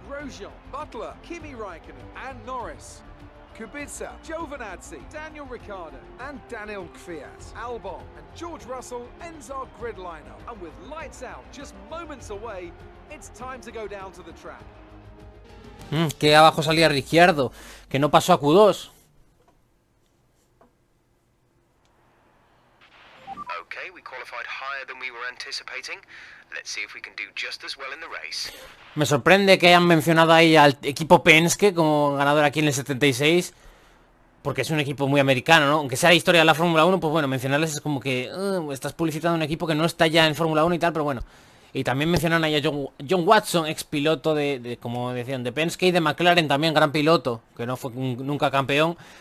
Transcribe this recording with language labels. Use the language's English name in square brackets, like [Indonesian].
[English] Grosjean, Butler, Kimi Raikkonen and Norris. Kubica, Giovinazzi, Daniel Ricciardo, and Daniel Kvyat. Albon and George Russell ends our grid lineup. And with lights out just moments away, it's time to go down to the track. [Spanish] Que abajo salía Ricciardo, que no pasó a Q2. [English] Okay, we qualified higher than we were anticipating. Let's see if we can do just as well in the race. [Spanish] Me sorprende que hayan mencionado ahí al equipo Penske como ganador aquí en el 76, porque es un equipo muy americano, ¿no? Aunque sea la historia de la Fórmula 1, pues bueno, mencionarles es como que estás publicitando un equipo que no está ya en Fórmula 1 y tal, pero bueno. Y también mencionan ahí a John Watson, ex piloto de como decían, de Penske y de McLaren, también gran piloto, que no fue nunca campeón.